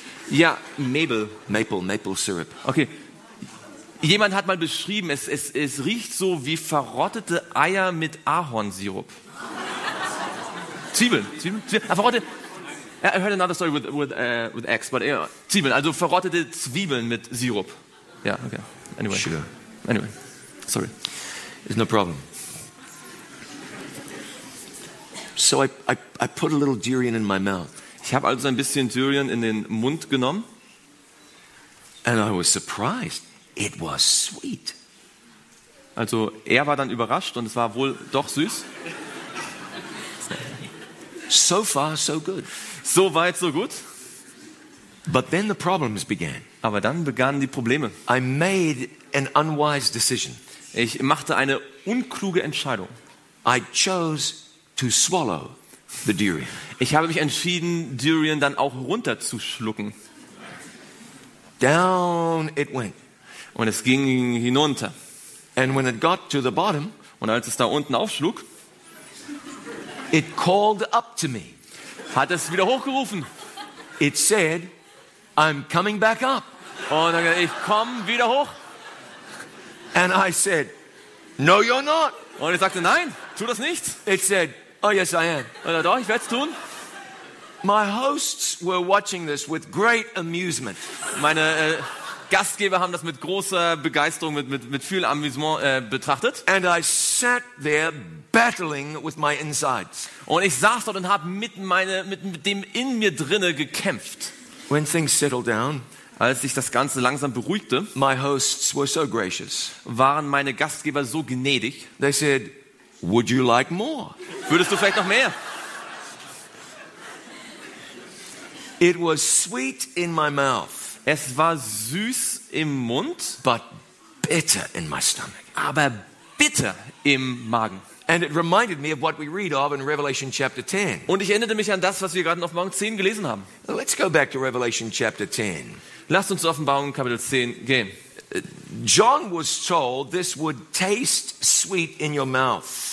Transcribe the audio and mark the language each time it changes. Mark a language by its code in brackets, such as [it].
[de] Ja, [en] maple syrup. Okay. [de] Jemand hat mal beschrieben, es riecht so wie verrottete Eier mit Ahornsirup. Zwiebeln. Verrottete. [en] I heard another story with eggs, but yeah. [de] Zwiebeln, also verrottete Zwiebeln mit Sirup. [en] Ja, yeah, okay. Anyway. Sure. Anyway. Sorry. It's no problem. So I put a little durian in my mouth. [de] Ich habe also ein bisschen Durian in den Mund genommen. [en] And I was surprised. It was sweet. [de] Also er war dann überrascht und es war wohl doch süß. [en] So far so good. [de] So weit so gut. [en] But then the problems began. [de] Aber dann begannen die Probleme. [en] I made an unwise decision. [de] Ich machte eine unkluge Entscheidung. [en] I chose to swallow the durian. [de] Ich habe mich entschieden, Durian dann auch runterzuschlucken. [en] Down it went. [de] Und es ging hinunter. [en] And when it got to the bottom, [de] und als es da unten aufschlug, [en] it called up to me. [de] Hat es wieder hochgerufen. [en] It said, I'm coming back up. [de] Und dann, ich komme wieder hoch. [en] And I said, no, you're not. [de] Und ich sagte, nein, tu das nicht. [en] It said, oh yes, I am. [de] Und er, doch, ich werde es tun. [en] My hosts were watching this with great amusement. [de] Meine Gastgeber haben das mit großer Begeisterung, mit viel Amüsement betrachtet. [en] And I sat there battling with my insides. [de] Und ich saß dort und habe mit dem in mir drinne gekämpft. [en] When things settled down, [de] als sich das Ganze langsam beruhigte, [en] my hosts were so gracious, [de] waren meine Gastgeber so gnädig. [en] They said, would you like more? [de] Würdest du vielleicht noch mehr? [en] It was sweet in my mouth. [de] Es war süß im Mund, [en] but bitter in my stomach. [de] Aber bitter im Magen. [en] And it reminded me of what we read of in Revelation chapter 10. [de] Und ich erinnerte mich an das, was wir gerade in Offenbarung 10 gelesen haben. [en] Let's go back to Revelation chapter 10. [de] Lasst uns zu Offenbarung Kapitel 10 gehen. [en] John was told this would taste sweet in your mouth.